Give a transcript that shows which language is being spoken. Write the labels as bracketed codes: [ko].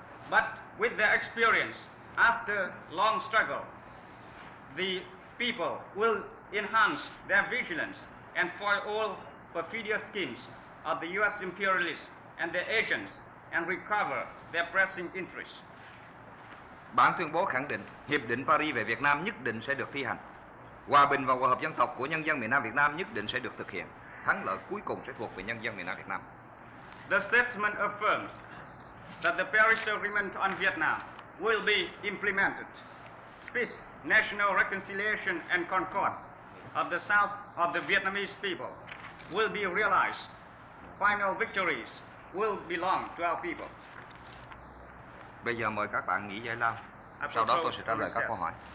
[en] But with their experience, after long struggle, the people will enhance their vigilance and foil all perfidious schemes of the US imperialists and their agents and recover their pressing interests. [vi] Bản tuyên bố khẳng định Hiệp định Paris về Việt Nam nhất định sẽ được thi hành. Hòa bình và hòa hợp dân tộc của nhân dân miền Nam Việt Nam nhất định sẽ được thực hiện. Thắng lợi cuối cùng sẽ thuộc về nhân dân miền Nam Việt Nam. [en] The statement affirms that the Paris Agreement on Vietnam will be implemented. Peace, national reconciliation and concord of the South of the Vietnamese people will be realized. Final victories will belong to our people. [vi] Bây giờ mời các bạn nghỉ giải lao. Sau đó tôi sẽ trả lời các câu hỏi.